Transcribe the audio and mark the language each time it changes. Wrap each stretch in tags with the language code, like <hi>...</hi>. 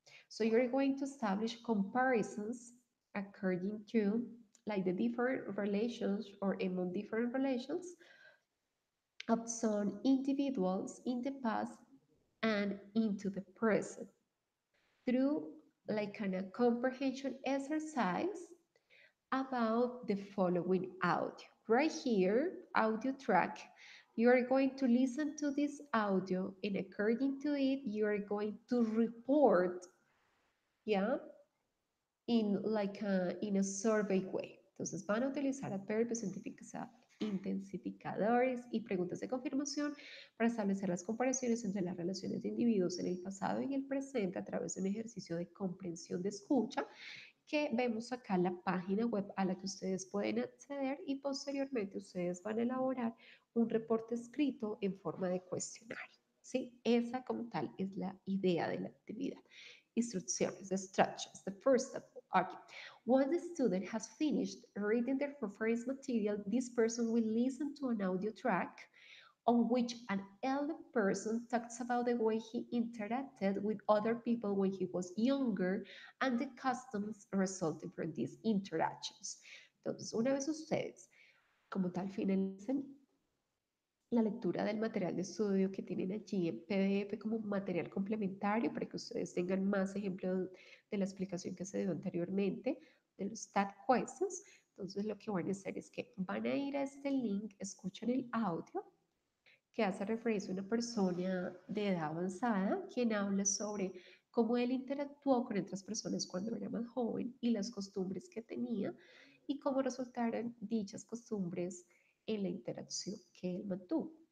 <en>So you're going to establish comparisons according to like the different relations or among different relations of some individuals in the past and into the present through like kind of comprehension exercise about the following audio. Right here, audio track, you are going to listen to this audio and according to it, you are going to report, yeah, in like in a survey way.</en> <es>Entonces van a utilizar adverbios, intensificadores y preguntas de confirmación para establecer las comparaciones entre las relaciones de individuos en el pasado y el presente a través de un ejercicio de comprensión de escucha que vemos acá en la página web a la que ustedes pueden acceder y posteriormente ustedes van a elaborar un reporte escrito en forma de cuestionario, ¿sí? Esa como tal es la idea de la actividad.</es> <en>Instrucciones, the structures, the first step. Okay. Once the student has finished reading their reference material, this person will listen to an audio track on which an elder person talks about the way he interacted with other people when he was younger and the customs resulting from these interactions.</en> <es>Entonces, una vez ustedes, como tal, finalicen la lectura del material de estudio que tienen allí en PDF como material complementario para que ustedes tengan más ejemplos de la explicación que se dio anteriormente, de los TAT questions. Entonces, lo que van a hacer es que van a ir a este link, escuchan el audio que hace referencia a una persona de edad avanzada quien habla sobre cómo él interactuó con otras personas cuando era más joven y las costumbres que tenía y cómo resultaron dichas costumbres en la interacción que él mantuvo.</es>